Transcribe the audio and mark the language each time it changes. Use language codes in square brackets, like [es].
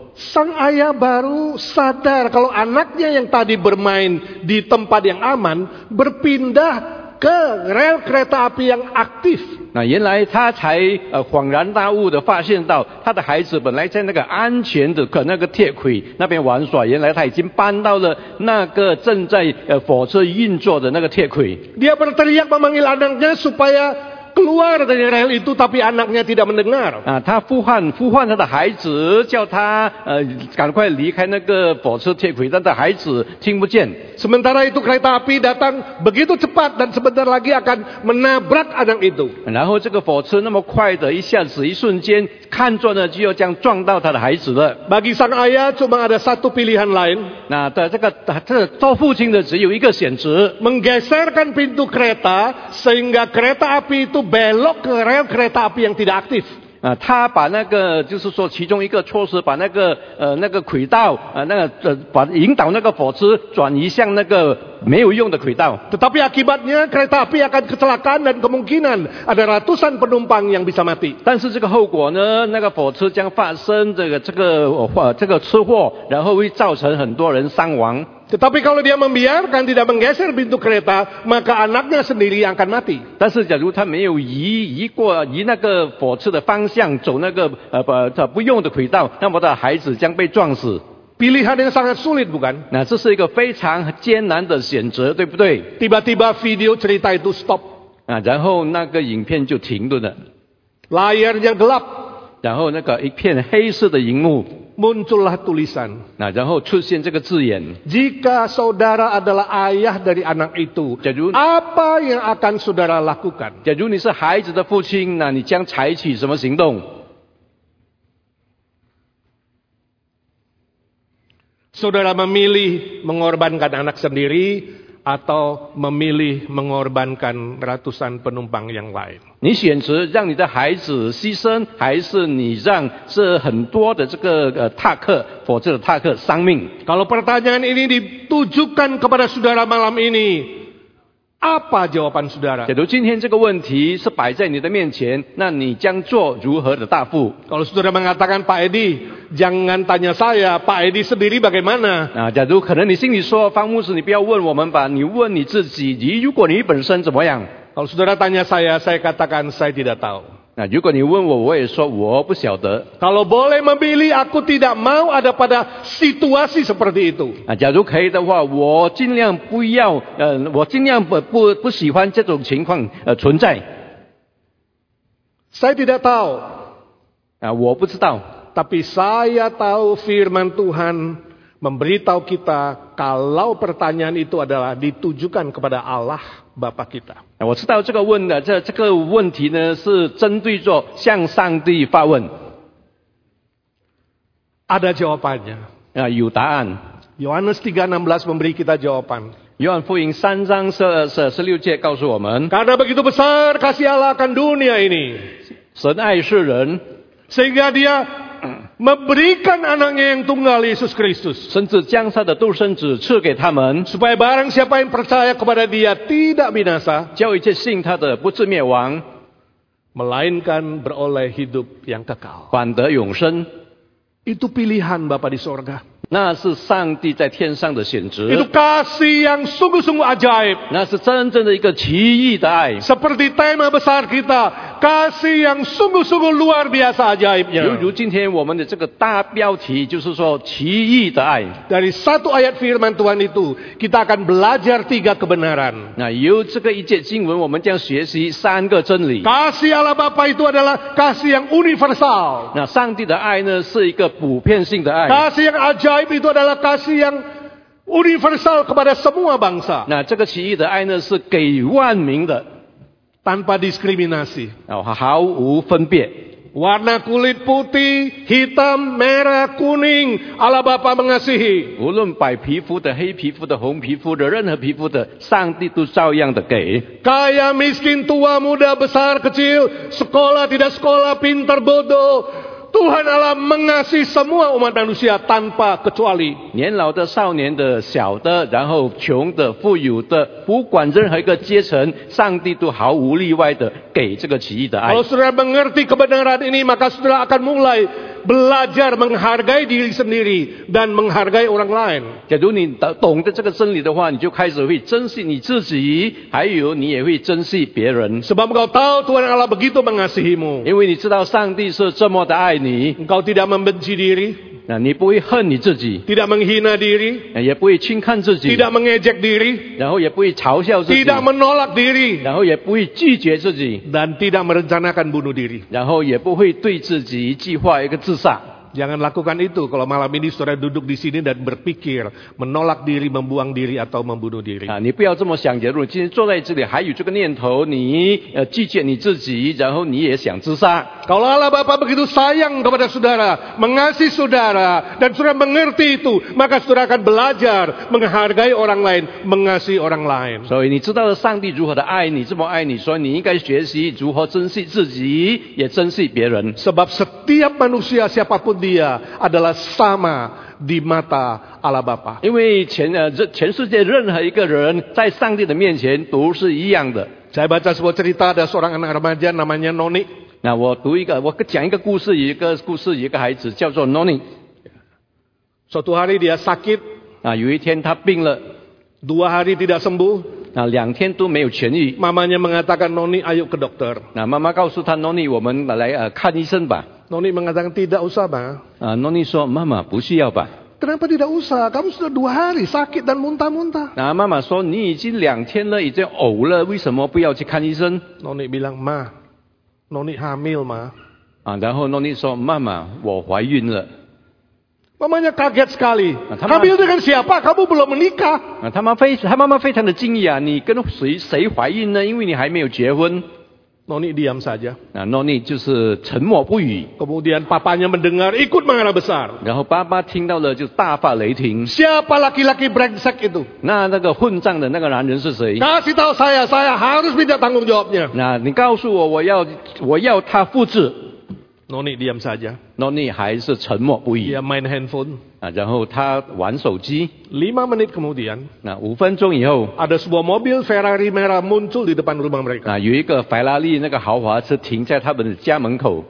[id] sang ayah baru sadar kalau anaknya yang tadi bermain di tempat yang aman berpindah ke rel kereta api yang aktif. [zh] 那原来他才恍然大悟的发现到，他的孩子本来在那个安全的可那个铁轨那边玩耍，原来他已经搬到了那个正在火车运作的那个铁轨。 [id] Dia berteriak memanggil anaknya supaya keluar dari rel itu, tapi anaknya tidak mendengar. [zh] 啊，他呼唤他的孩子，叫他赶快离开那个火车铁轨，但他孩子听不见。 [id] Sementara itu kereta api datang begitu cepat dan sebentar lagi akan menabrak anak itu. [zh] 然后这个火车那么快的，一下子一瞬间，看着呢就要将撞到他的孩子了。 [id] Bagi sang ayah cuma ada satu pilihan lain. [zh] 那的这个这做父亲的只有一个选择。 [id] Menggeserkan pintu kereta sehingga kereta api itu belok ke rel kereta api yang tidak aktif. [zh] 他把那个就是说其中一个措施把那个那个轨道那个把引导那个火车转移向那个没有用的轨道。 [id] Tetapi akibatnya kereta api akan kecelakaan dan kemungkinan ada ratusan penumpang yang bisa mati. [zh] 但是这个后果呢，那个火车将发生这个车祸，然后会造成很多人伤亡。 [id] Tetapi kalau dia membiarkan tidak menggeser pintu kereta, maka anaknya sendiri yang akan mati. [zh] 但是假如他没有移那个火车的方向走那个不用的轨道，那么他的孩子将被撞死。 [id] Pilihan yang sangat sulit, bukan? [zh] 那这是一个非常艰难的选择，对不对？ [id] Tiba-tiba video cerita itu stop. [zh] 啊，然后那个影片就停顿了。 [id] Layar yang gelap. [zh] 然后那个一片黑色的荧幕。 [id] Muncullah tulisan. [zh] 那然后出现这个字眼。 [id] Jika saudara adalah ayah dari anak itu, apa yang akan saudara lakukan? [zh] 假如你是孩子的父亲，那你将采取什么行动？ [id] Saudara memilih mengorbankan anak sendiri atau memilih mengorbankan ratusan penumpang yang lain? [zh] 你选择让你的孩子牺牲，还是你让这很多的这个踏客，否则踏客伤命？ [id] Kalau pertanyaan ini ditujukan kepada saudara malam ini, apa jawaban saudara? [zh] 假如今天这个问题是摆在你的面前，那你将做如何的答复？ [id] Kalau saudara mengatakan Pak Edi, jangan tanya saya, Pak Edi sendiri bagaimana? [zh] 那假如可能你心里说，方牧师，你不要问我们吧，你问你自己，你如果你本身怎么样？ [id] Kalau saudara tanya saya katakan saya tidak tahu. [zh] 那如果你问我，我也说我不晓得。 [id] Kalau boleh memilih, aku tidak mau ada pada situasi seperti itu. [zh] 那假如可以的话，我尽量不要，我尽量不喜欢这种情况存在。 [id] Saya tidak tahu. [zh] 啊，我不知道。 [id] Tapi saya tahu firman Tuhan memberitahu kita kalau pertanyaan itu adalah ditujukan kepada Allah Bapa kita. [zh] 我知道这个问题呢是针对着向上帝发问。 [id] Ada jawabannya. [zh] 啊，有答案。 [id] Yohanes 3:16 memberi kita jawaban. [zh] 约翰福音三章16节告诉我们。 [id] Karena begitu besar kasih Allah akan dunia ini. [zh] 神爱世人。 [id] Sehingga dia memberikan anaknya yang tunggal Yesus Kristus, [zh] 甚至将他的独生子赐给他们, [id] supaya barang siapa yang percaya kepada dia tidak binasa, [zh] 叫一切信他的不至灭亡, [id] melainkan beroleh hidup yang kekal, [zh] 反得永生, [id] itu pilihan Bapa di sorga, [zh] 那是上帝在天上的选择, [id] itu kasih yang sungguh-sungguh ajaib, [zh] 那是真正的一个奇异的爱, [id] seperti tema besar kita,kasih yang sungguh-sungguh luar biasa ajaibnya. [zh] 犹如今天我们的这个大标题就是说奇异的爱。 [id] Dari satu ayat firman Tuhan itu, kita akan belajar tiga kebenaran. [zh] 那由这个一节经文我们将学习三个真理。 [id] Kasih Allah Bapa itu adalah kasih yang universal. [zh] 那上帝的爱呢是一个普遍性的爱。 [id] Kasih yang ajaib itu adalah kasih yang universal kepada semua bangsa. [zh] 那这个奇异的爱呢是给万民的。 [id] Tanpa diskriminasi. [zh] 毫无分别。 [id] Warna kulit putih, hitam, merah, kuning, Allah Bapa mengasihi. [zh] 无论白皮肤的、黑皮肤的、红皮肤的、任何皮肤的，上帝都照样的给。 [id] Kaya, miskin, tua, muda, besar, kecil, sekolah, tidak sekolah, pintar, bodoh, Tuhan Allah mengasihi semua umat manusia tanpa kecuali. [zh] 年老的、少年的、小的，然后穷的、富有的，不管任何一个阶层，上帝都毫无例外的给这个奇异的爱。 [id] Kalau saudara mengerti kebenaran ini, maka saudara akan mulai belajar menghargai diri sendiri dan menghargai orang lain. [zh] 假如你懂得这个真理的话，你就开始会珍惜你自己，还有你也会珍惜别人。 [id] Sebab engkau tahu Tuhan Allah begitu mengasihimu. [zh] 因为你知道上帝是这么的爱你。 [id] Engkau tidak membenci diri. [zh] 那你不会恨你自己。 [id] Tidak menghina diri. [zh] 也不会轻看自己。 [id] Tidak mengejek diri. [zh] 然后也不会嘲笑自己。 [id] Tidak menolak diri. [zh] 然后也不会拒绝自己。 [id] Dan tidak merencanakan bunuh diri. [zh] 然后也不会对自己计划一个自杀。 [id] Jangan lakukan itu kalau malam ini saudara duduk di sini dan berpikir menolak diri, membuang diri atau membunuh diri. [zh] 你不要这么想，假如今天坐在这里还有这个念头，你拒绝你自己，然后你也想自杀。 [id] Kalau Allah Bapa begitu sayang kepada saudara, mengasihi saudara dan saudara mengerti itu, maka saudara akan belajar menghargai orang lain, mengasihi orang lain. [zh] So, 你知道了上帝如何的爱你，这么爱你，所以你应该学习如何珍惜自己，也珍惜别人。 [id] Sebab setiap manusia siapapun dia adalah sama di mata Allah Bapa. [zh] 因为全世界任何一个人在上帝的面前都是一样的。 [id] Saya baca sebuah cerita, ada seorang anak remaja namanya Noni. [zh] 那我读一个，我讲一个故事，一个孩子叫做 Noni. [id] Suatu hari dia sakit. [zh] 那有一天他病了。 [id] Dua hari tidak sembuh. [zh] 那两天都没有痊愈。 [id] Mamanya mengatakan Noni, ayo ke dokter. [zh] 那妈妈告诉他 Noni, 我们来看医生吧。 [id] Noni mengatakan tidak usah, Ma. [zh] Noni 说妈妈不需要吧。 [id] Kenapa tidak usah? Kamu sudah dua hari sakit dan muntah-muntah. [zh] 那妈妈说你已经两天了，已经呕了，为什么不要去看医生？ [id] Noni bilang, Ma, Noni hamil, Ma. [zh] 然后 Noni 说妈妈我怀孕了。 [id] Mamanya kaget sekali. Hamil dengan siapa? Kamu belum menikah. [zh] 他妈妈非常的惊讶，你跟谁怀孕呢？因为你还没有结婚。 [id] Noni diam saja. [zh] Nah, Noni 就是沉默不语。 [id] Kemudian papanya mendengar ikut marah besar. [zh] 然后爸爸听到了就大发雷霆。 [id] Siapa laki-laki brengsek itu? [zh] 那个混账的那个男人是谁？ [id] Kasih tahu saya harus minta tanggung jawabnya. [zh] 那你告诉我，我要他复制。 [id] Noni diam saja. [zh] Noni 还是沉默不语。 [id] Dia main handphone. [zh] 然后他玩手机。 [id] 5 menit kemudian. [zh] 那五分钟以后。 [id] Ada sebuah mobil Ferrari merah muncul di depan rumah mereka. [zh] 那有一个法拉利那个豪华车停在他们的家门口。